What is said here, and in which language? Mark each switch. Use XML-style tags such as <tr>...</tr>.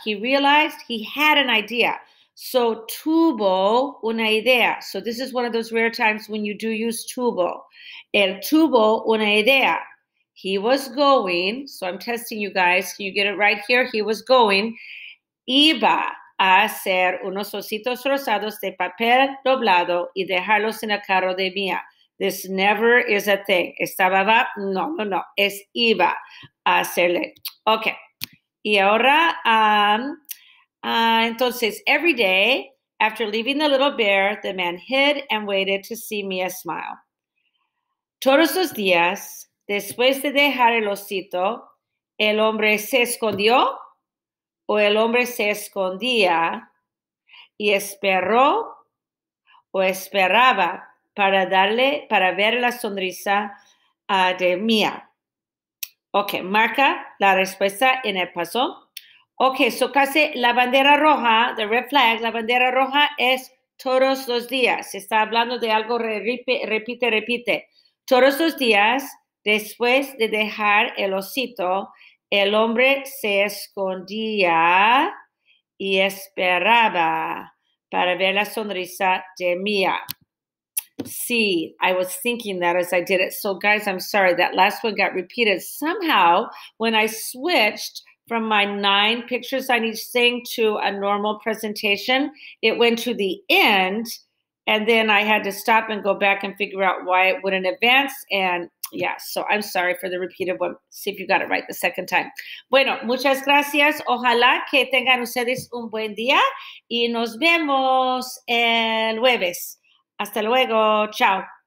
<en>He realized he had an idea. So,</en> <es>tuvo una idea.</es> <en>So, this is one of those rare times when you do use tuvo.</en> <es>El tuvo una idea.</es> <en>He was going. So, I'm testing you guys. Can you get it right here? He was going.</en> <es>Iba a hacer unos ositos rosados de papel doblado y dejarlos en el carro de Mía.</es> <en>This never is a thing.</en> <es>Estaba va.</es> <en>No, no, no.</en> <es>Es iba a hacerle. Okay. Y ahora, entonces,</es> <en>every day, after leaving the little bear, the man hid and waited to see Mia smile.</en> <es>Todos los días, después de dejar el osito, el hombre se escondió o el hombre se escondía y esperó o esperaba para darle, para ver la sonrisa de Mia. Ok, marca la respuesta en el paso. Ok, so casi la bandera roja,</es> <en>the red flag,</en> <es>la bandera roja es todos los días. Está hablando de algo, repite. Todos los días, después de dejar el osito, el hombre se escondía y esperaba para ver la sonrisa de Mia.</es> <en>See, I was thinking that as I did it. So, guys, I'm sorry. That last one got repeated. Somehow, when I switched from my 9 pictures on each thing to a normal presentation, it went to the end, and then I had to stop and go back and figure out why it wouldn't advance. And, yeah, so I'm sorry for the repeated one. See if you got it right the second time.</en> <es>Bueno, muchas gracias. Ojalá que tengan ustedes un buen día. Y nos vemos el jueves. Hasta luego. Chao.</es>